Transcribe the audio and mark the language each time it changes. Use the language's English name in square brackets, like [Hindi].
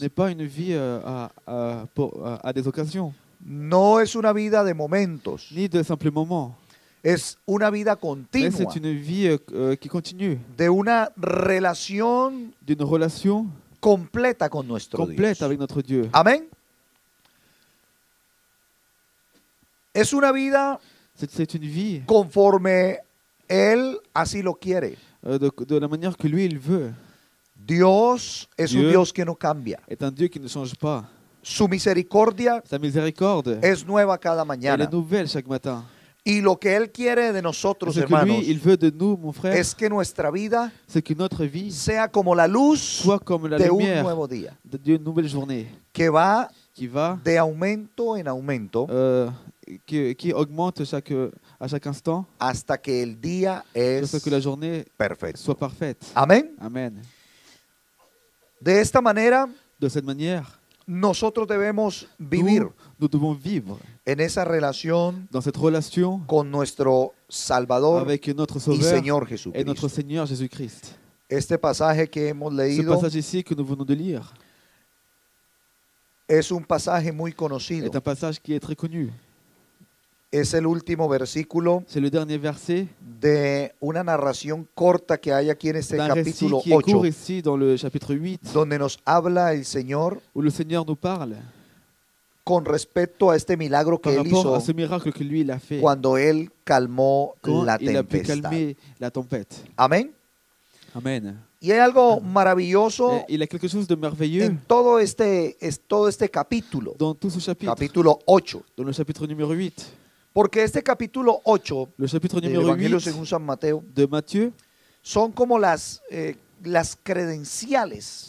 [French] N'est pas une vie à des occasions. [Spanish] No es una vida de momentos. [French] Ni de simples moments. [Spanish] Es una vida continua. [French] C'est une vie qui continue. [Spanish] De una relación [French] d'une relation [Spanish] completa con nuestro Dios. [French] Complète avec notre Dieu. [Spanish] Amén. Es una vida [French] c'est une vie [Spanish] conforme él así lo quiere. [French] De la manière que lui il veut. [Spanish] Dios es [French] Dieu [Spanish] un Dios que no cambia. [French] Est un Dieu qui ne change pas. [Spanish] Su misericordia [French] sa miséricorde [Spanish] es nueva cada mañana. [French] Elle est nouvelle chaque matin. [Spanish] Y lo que él quiere de nosotros, que hermanos, [French] lui, il veut de nous, mon frère, [Spanish] es que nuestra vida [French] c'est que notre vie [Spanish] sea como la luz [French] soit comme la [Spanish] de [French] lumière [Spanish] un nuevo día. [French] D'une nouvelle journée. Qui va [Spanish] de aumento en aumento. [French] Qui augmente à chaque instant [Spanish] hasta que el día es [French] que la journée [Spanish] perfecto [French] soit parfaite. [Spanish] Amén. [French] Amen. [Spanish] De esta manera, [French] de cette manière, [Spanish] nosotros debemos vivir [French] nous devons vivre [Spanish] en esa relación [French] dans cette relation [Spanish] con nuestro Salvador [French] avec notre Sauveur [Spanish] y Señor Jesucristo. [French] Et notre Seigneur Jésus-Christ. [Spanish] Este pasaje que hemos leído, [French] ce passage ici que nous venons de lire, [Spanish] es un pasaje muy conocido. [French] Est un passage qui est très connu. [Spanish] Es el último versículo [French] c'est le dernier verset [Spanish] de una narración corta que hay aquí en este capítulo 8, [French] récit qui est court ici dans le chapitre 8, [Spanish] donde nos habla el Señor, [French] où le Seigneur nous parle, [Spanish] con respecto a este milagro que él hizo, [French] ce miracle que lui, il a fait, [Spanish] cuando él calmó la tempestad. [French] Il a pu calmer la tempête. [Spanish] Amén. [French] Amen. [Spanish] Y hay algo maravilloso en todo este capítulo, [French] dans tout ce chapitre, [Spanish] capítulo 8, [French] dans le chapitre numéro 8. [Spanish] Porque este capítulo 8, [French] le chapitre numéro [Spanish] 8 Evangelio según San Mateo, [French] de Matthieu, [Spanish] son como las credenciales,